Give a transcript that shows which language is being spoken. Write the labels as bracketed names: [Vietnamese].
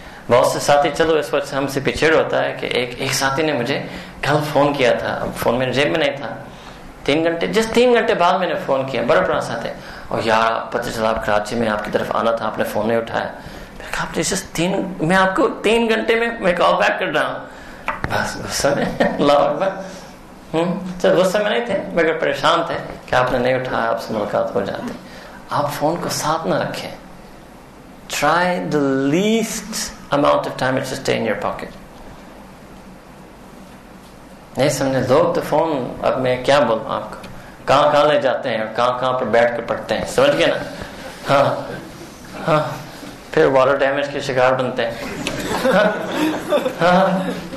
[Hindi] बहुत से साथी चलो इस वक्त हमसे पीछे होता है कि एक साथी ने मुझे कल फोन किया था अब फोन मेरे जेब में नहीं था 3 घंटे जस्ट 3 घंटे बाद मैंने फोन किया बड़ा पुराना साथी और यार पता चला आप कराची में आपकी तरफ आना था आपने फोन नहीं उठाया. मैंने कहा जस्ट 3 मैं आपको 3 घंटे में मैं कॉल बैक कर रहा हूँ. बस गुस्से में अल्लाह अकबर. चलो गुस्से में नहीं थे मगर परेशान थे कि आपने नहीं उठाया आपसे मुलाकात हो जाती. आप फोन को साथ ना रखें. [English] Try the least amount of time it should stay in your pocket. [Hindi] नहीं समझे लोग तो फोन अब मैं क्या बोलूं आपको कहाँ कहाँ ले जाते हैं कहाँ कहाँ पर बैठ कर पढ़ते हैं समझ गए ना. हाँ हाँ फिर वाटर डैमेज के शिकार बनते हैं.